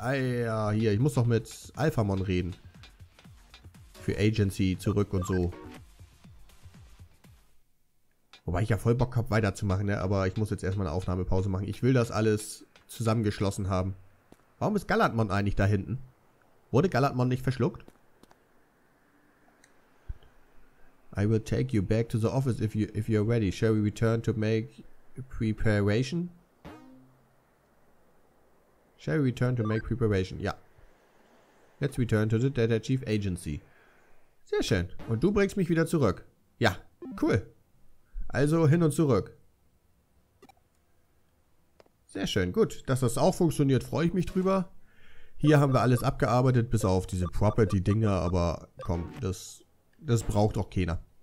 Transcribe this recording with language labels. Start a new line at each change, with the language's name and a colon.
German: hier, ich muss doch mit Alphamon reden. Für Agency zurück und so. Wobei ich ja voll Bock habe, weiterzumachen, ne? Aber ich muss jetzt erstmal eine Aufnahmepause machen. Ich will das alles zusammengeschlossen haben. Warum ist Galatmon eigentlich da hinten? Wurde Galatmon nicht verschluckt?
English: I will take you back to the office if you're ready. Shall we return to make preparation? Shall we return to make preparation? Ja. Let's return to the Data Chief Agency.
German: Sehr schön. Und du bringst mich wieder zurück. Ja, cool. Also hin und zurück. Sehr schön, gut. Dass das auch funktioniert, freue ich mich drüber. Hier haben wir alles abgearbeitet, bis auf diese Property-Dinger. Aber komm, das braucht auch keiner.